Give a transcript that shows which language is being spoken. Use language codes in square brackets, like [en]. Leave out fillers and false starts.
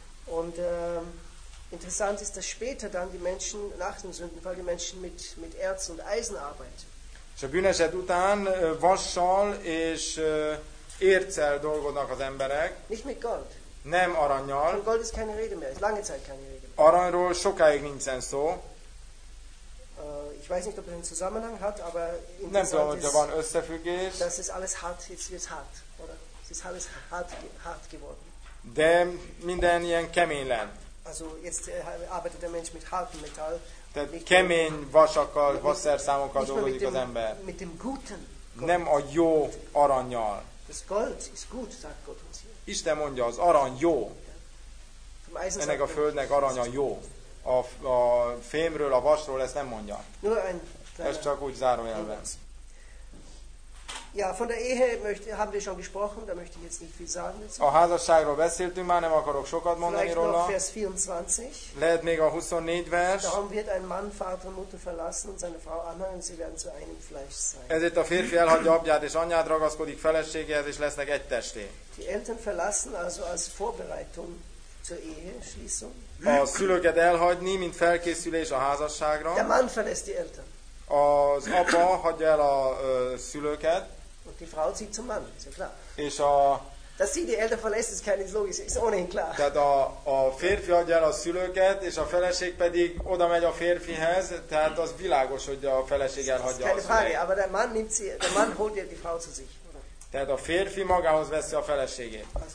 [de] Und interessant ist, dass später dann die Menschen nach dem Sündenfall die Menschen mit Erz und Eisen arbeiten. [hu] És a bűneset után vassal és érccel dolgoznak az emberek. [de] Nicht mit Gold. [hu] Nem aranyjal. [de] Gold ist keine Rede mehr. Lange Zeit keine Rede mehr. [hu] Aranyról sokáig nincsen szó. [de] Ich weiß nicht, ob es einen Zusammenhang hat, aber [hu] nem tudom, hogy van összefüggés. [de] Das ist alles hart, jetzt wird's hart, oder? Es ist alles hart geworden. [hu] De minden ilyen kemény lett. [de] Also jetzt arbeitet der Mensch mit hartem Metall. [hu] Tehát kemény vasakkal, vasszerszámokkal dolgozik az ember. [de] Mit dem guten. [hu] Nem a jó aranyjal. [de] Das Gold ist gut, sagt Gott. [hu] Isten mondja, az arany jó. Ennek a földnek aranya jó. A fémről, a vasról ezt nem mondja. Ez csak úgy zárójelben. [de] Ja, von der Ehe haben wir schon gesprochen, da möchte ich jetzt nicht viel sagen. [hu] A házasságról beszéltünk már, nem akarok sokat mondani róla. [de] Vers 24. [hu] Lehet még a 24 vers. [de] Darum wird ein Mann Vater und Mutter verlassen und seine Frau anhangen, sie werden zu einem Fleisch sein. [hu] Ezért a férfi elhagyja apját és anyját, ragaszkodik feleségéhez és lesznek egy testé. [de] Die Eltern verlassen also als Vorbereitung zur Eheschließung. [hu] A szülőket elhagyni, mint felkészülés a házasságra. [de] Der Mann verlässt die Eltern. [hu] Az apa hagyja el a szülőket. [de] Und die Frau zieht zum Mann, ist ja klar. [hu] És a, [de] dass sie die Eltern verlässt, ist keine Logik, ist ohnehin klar. [hu] Tehát a férfi adja el a szülőket, és a feleség pedig oda megy a férfihez, tehát az világos, hogy a feleség elhagyja a szülőket. [de] Keine Frage, aber der Mann nimmt sie, der Mann holt ihr die Frau zu sich. [hu] Tehát a férfi magához veszi a feleségét.